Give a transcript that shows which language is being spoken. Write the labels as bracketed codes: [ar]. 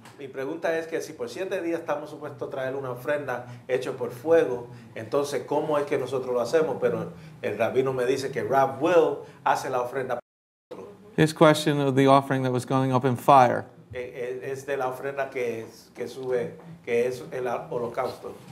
[es] Mi pregunta es que si por siete días estamos supuestos a traer una ofrenda hecha por fuego, entonces cómo es que nosotros lo hacemos? Pero el rabino me dice que Rab Will hace la ofrenda. [en] His question of the offering that was going up in fire. [es] Es de la ofrenda que sube, que es el holocausto.